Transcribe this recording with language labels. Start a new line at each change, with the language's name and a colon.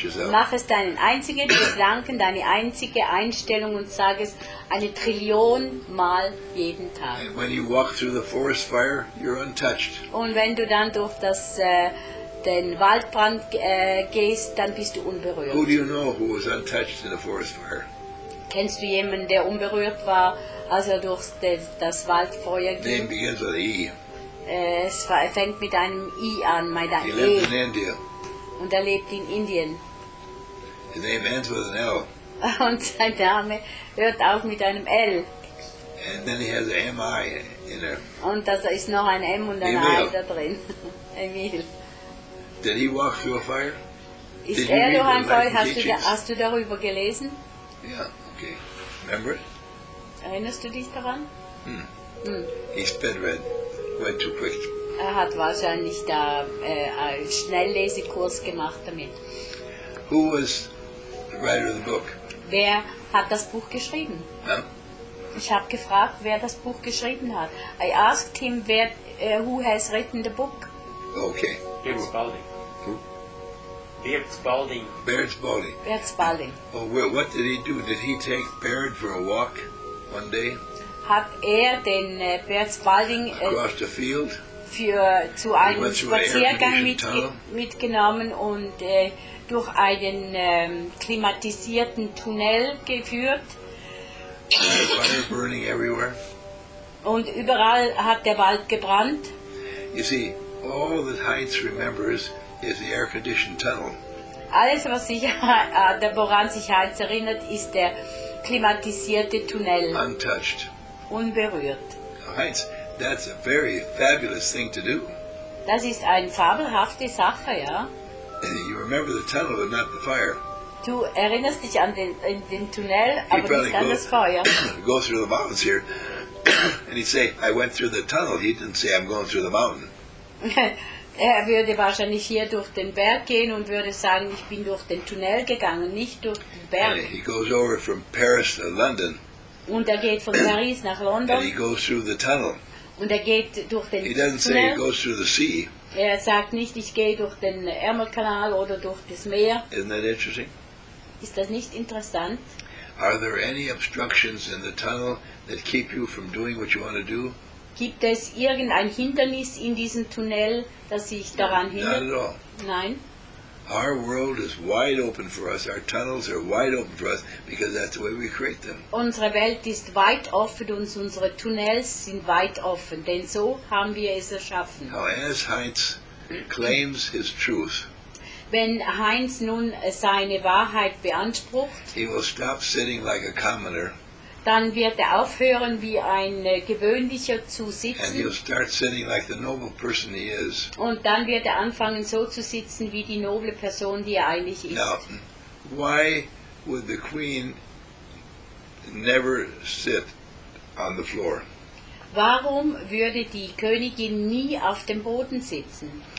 German: Mach es deinen einzigen Gedanken, deine einzige Einstellung und sag es eine Trillion Mal jeden Tag.
English: When you walk through the forest fire, you're untouched.
German: Und wenn du dann durch das den Waldbrand gehst, dann bist du unberührt.
English: Who do you know who was untouched in the forest fire?
German: Kennst du jemanden, der unberührt war, als er durch das Waldfeuer ging?
English: Name begins with E.
German: Es fängt mit einem I an, mein E.
English: He lived in India.
German: Und er lebt in Indien.
English: His name ends with an L.
German: Und sein Name hört auf mit einem L.
English: And then he has an M-I in there.
German: Und da ist noch ein M und ein
English: Emil.
German: I da drin. Emil.
English: Did he walk through a fire?
German: Ist Did er noch ein Feuer? Hast du darüber gelesen?
English: Ja, yeah, okay. Remember it?
German: Erinnerst du dich daran?
English: He sped red. Went too quick.
German: Er hat wahrscheinlich da einen Schnelllesekurs gemacht damit.
English: Who was the writer of the book?
German: Wer hat das Buch geschrieben? Huh? Ich habe gefragt, wer das Buch geschrieben hat.
English: I asked him who has written the book. Okay. Beard Spalding. Beard Spalding. Beard Spalding. Beard Spalding. Oh, well, what did he do? Did he take Beard for a walk one day?
German: Hat er den Beard Spalding
English: across the field?
German: Zu einem Spaziergang mitgenommen und durch einen klimatisierten Tunnel geführt.
English: Fire burning everywhere.
German: Und überall hat der Wald gebrannt.
English: You see, all that Heinz remembers is the air-conditioned tunnel.
German: Alles, was sich woran sich Heinz erinnert, ist der klimatisierte Tunnel.
English: Untouched.
German: Unberührt.
English: Heinz, that's a very fabulous thing to do.
German: Das ist eine fabelhafte Sache, ja.
English: You remember the tunnel but not the fire.
German: Du erinnerst dich an den Tunnel,
English: he
German: aber nicht an das Feuer.
English: Go through the mountains here. And he'd say, I went through the tunnel. He didn't say, I'm going through the mountain.
German: Er würde wahrscheinlich hier durch den Berg gehen und würde sagen, ich bin durch den Tunnel gegangen, nicht durch den Berg.
English: And he goes over from Paris to London.
German: Und er geht von Paris nach London.
English: And he goes through the tunnel.
German: Und er geht durch den
English: Tunnel. He doesn't say he goes through the sea.
German: Er sagt nicht, ich gehe durch den Ärmelkanal oder durch das Meer.
English: Isn't that interesting?
German: Ist das nicht interessant?
English: Are there any obstructions in the tunnel that keep you from doing what you want to do?
German: Gibt es irgendein Hindernis in diesem Tunnel, das sich daran hindert?
English: Not at all.
German: Nein.
English: Our world is wide open for us. Our tunnels are wide open for us because that's the way we create them.
German: Unsere Welt ist weit offen und unsere Tunnels sind weit offen, denn so haben wir es erschaffen.
English: Now, as Heinz claims his truth,
German: wenn Heinz nun seine Wahrheit beansprucht,
English: he will stop sitting like a commoner.
German: Dann wird er aufhören, wie ein gewöhnlicher zu sitzen.
English: And he'll start sitting like the noble person he is.
German: Und dann wird er anfangen, so zu sitzen, wie die noble Person, die er eigentlich ist.
English: Now, why would the queen never sit on the floor?
German: Warum würde die Königin nie auf dem Boden sitzen?